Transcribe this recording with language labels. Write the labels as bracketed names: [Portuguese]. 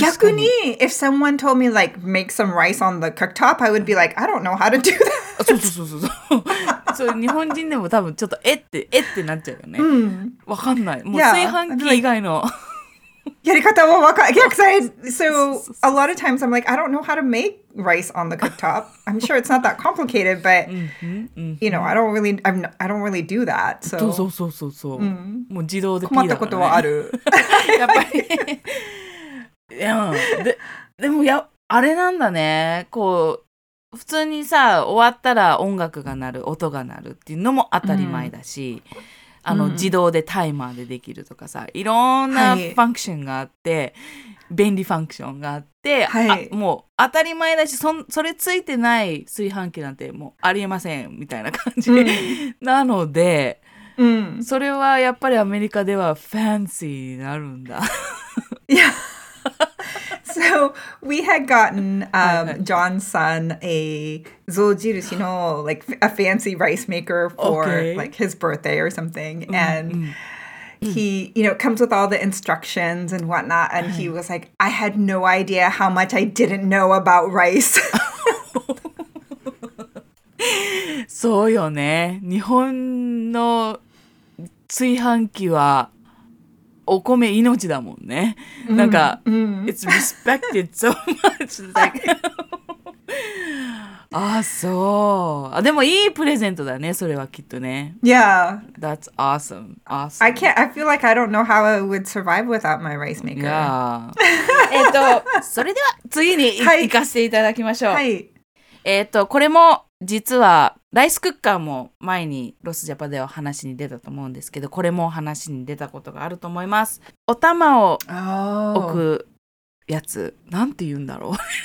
[Japanese] 逆に、 [English] if someone told me, like, make some rice on the cooktop, I would be like, I don't know how to do that. [Japanese] そうそうそうそう。そう、日本人でも多分ちょっとえってなっちゃうよね。わかんない。もう炊飯器以外の。やり方は分かる。 [English] Yeah, because so a lot of times I'm like, I don't know how to make rice on the cooktop. I'm sure it's not that complicated, but you know, I don't really do that. So, [Japanese] そうそうそうそう。もう自動でピーだからね。困ったことはある。やっぱり。いや、でもや、あれなんだね。こう、普通にさ、終わったら音楽が鳴る、音が鳴るっていうのも当たり前だし。あの自動でタイマーでできるとかさいろんなファンクションがあって、はい、便利ファンクションがあって、はい、あもう当たり前だし それついてない炊飯器なんてもうありえませんみたいな感じ、なので、それはやっぱりアメリカではファンシーになるんだ [English] いやSo we had gotten John's son a zojirushi no, like a fancy rice maker for like his birthday or something. And he, you know, comes with all the instructions and whatnot. And he was like, I had no idea how much I didn't know about rice. [Japanese] そうよね。日本の炊飯器はお米命だもんね。 [English] なんか、It's respected so much. [Japanese] Like, ああ、そう。でもいいプレゼントだね、それはきっとね。 [English] Yeah. That's awesome. Awesome. I can't, I feel like I don't know how I would survive without my rice maker. Yeah. [Japanese] それでは次に行かせていただきましょう。はい。これも実はライスクッカーも前にロスジャパでは話に出たと思うんですけど、これも話に出たことがあると思います。お玉を置くやつ、なんて言うんだろう。